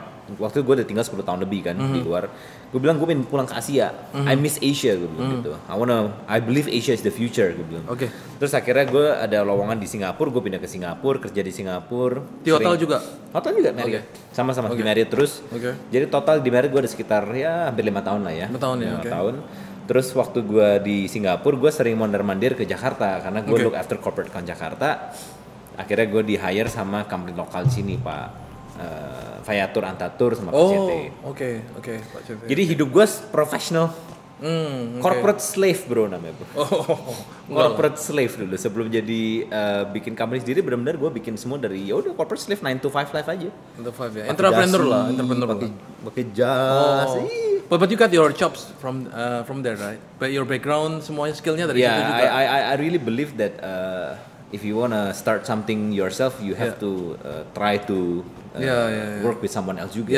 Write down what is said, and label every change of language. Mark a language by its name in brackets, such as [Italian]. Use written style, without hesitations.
[Indonesian] Waktu itu gue udah tinggal 10 tahun lebih kan di luar. Gue bilang gue pengen pulang ke Asia. [English] I miss Asia, [Indonesian] gue bilang gitu. [English] I believe Asia is the future, [Indonesian] gue bilang. Terus akhirnya gue ada lowongan di Singapura, gue pindah ke Singapura, kerja di Singapura. Di hotel juga? Hotel juga, Marriott. Sama-sama di Marriott terus. Jadi total di Marriott gue ada sekitar ya hampir 5 tahun lah ya. 5 tahun. Terus waktu gue di Singapura, gue sering mondar-mandir ke Jakarta. Karena gue [English] look after corporate account Jakarta. [Indonesian] Akhirnya gue di hire sama company lokal sini, Pak. Fayatur Antatur sama Pak CT. Oke, Pak CT. Jadi hidup gue professional, corporate slave bro namanya bro. Corporate slave dulu sebelum jadi bikin company sendiri, benar-benar gue bikin semua dari ya udah [English] corporate slave 9 to 5 life [Indonesian] aja. 9 to 5 ya. Pake entrepreneur jasi, lah, entrepreneur. Pakai jas. [English] But you got your chops from there, right? But your background [Indonesian] semuanya skillnya dari situ juga. [English] Yeah, I really believe that if you wanna start something yourself, you have to try to work with someone else juga.